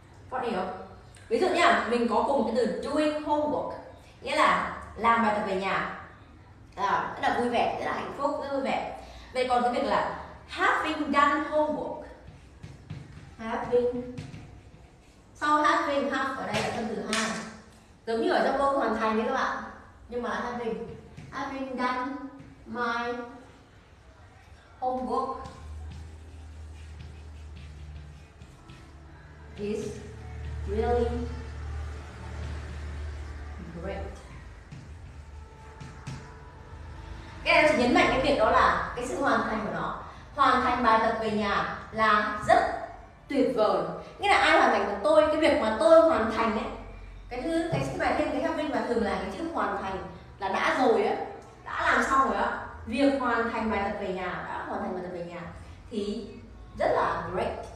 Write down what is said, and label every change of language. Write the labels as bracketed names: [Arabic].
[Vietnamese] Con hiểu không? Ví dụ nha, mình có cùng cái từ [English] doing homework, [Vietnamese] nghĩa là làm bài tập về nhà, rất là vui vẻ, rất là hạnh phúc, rất vui vẻ. Vậy còn cái việc là [English] having done homework, [Vietnamese] having, sau having, have ở đây là phân từ hai, giống như ở trong câu hoàn thành đấy các bạn, nhưng mà là having. [English] Having done my homework is really great. [Vietnamese] Cái này chỉ nhấn mạnh cái việc đó là cái sự hoàn thành của nó. Hoàn thành bài tập về nhà là rất tuyệt vời. Nghĩa là ai hoàn thành của tôi, cái việc mà tôi hoàn thành ấy, cái thứ cái sức bài thêm cái having và thường là cái chữ hoàn thành là đã rồi á, đã làm xong rồi á, việc hoàn thành bài tập về nhà, đã hoàn thành bài tập về nhà thì rất là great.